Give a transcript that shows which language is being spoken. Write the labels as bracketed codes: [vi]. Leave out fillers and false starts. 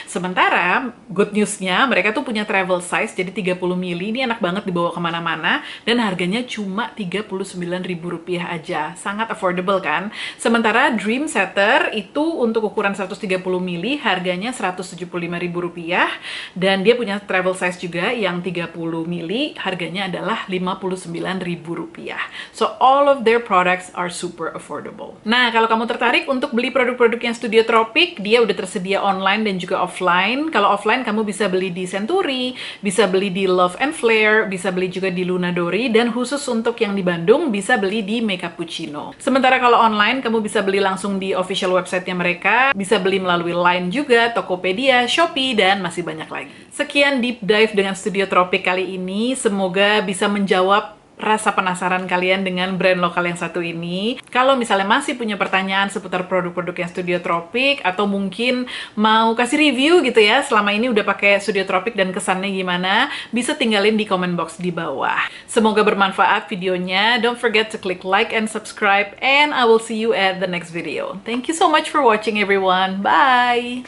[id] Sementara, good news-nya, mereka tuh punya travel size, jadi 30ml, ini enak banget dibawa kemana-mana, dan harganya cuma Rp39.000 aja. Sangat affordable kan? Sementara Dream Setter itu untuk ukuran 130ml harganya Rp175.000, dan dia punya travel size juga yang 30ml harganya adalah Rp59.000. [en] So all of their products are super affordable. [id] Nah, kalau kamu tertarik untuk beli produk-produk yang Studio Tropic, dia udah tersedia online dan juga offline. Kalau offline kamu bisa beli di Century, bisa beli di Love and Flare, bisa beli juga di Luna Dori, dan khusus untuk yang di Bandung bisa beli di Makeup Puccino. Sementara kalau online, kamu bisa beli langsung di official website-nya mereka, bisa beli melalui LINE juga, Tokopedia, Shopee, dan masih banyak lagi. Sekian deep dive dengan Studio Tropic kali ini, semoga bisa menjawab rasa penasaran kalian dengan brand lokal yang satu ini. Kalau misalnya masih punya pertanyaan seputar produk-produk yang Studio Tropic, atau mungkin mau kasih review gitu ya, selama ini udah pakai Studio Tropic dan kesannya gimana, bisa tinggalin di comment box di bawah. Semoga bermanfaat videonya. [en] Don't forget to click like and subscribe, and I will see you at the next video. Thank you so much for watching everyone. Bye!